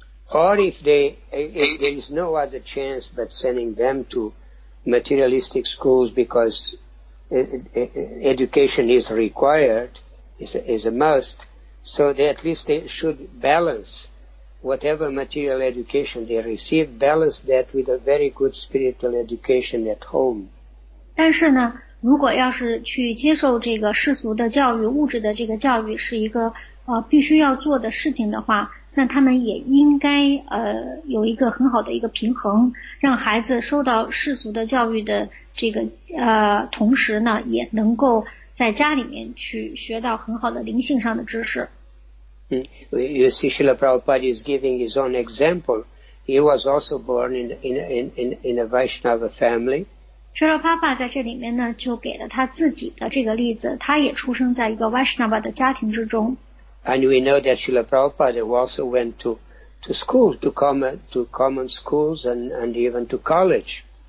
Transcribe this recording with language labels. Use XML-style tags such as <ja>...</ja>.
<en>Or if there is no other chance but sending them to materialistic schools because education is required, is a must, so they at least they should balance whatever material education they receive, balance that with a very good spiritual education at home.</en> <zh>但是呢，如果要是去接受这个世俗的教育、物质的这个教育是一个必须要做的事情的话，那他们也应该有一个很好的一个平衡，让孩子受到世俗的教育的这个同时呢，也能够在家里面去学到很好的灵性上的知识。</zh> <en>You see, Srila Prabhupada is giving his own example. He was also born in a Vaishnava family.</en> <zh>Srila Prabhupada 在这里面呢，就给了他自己的这个例子，他也出生在一个 Vaishnava 的家庭之中。</zh> <en>And we know that Srila Prabhupada also went to school, to common schools and even to college.</en>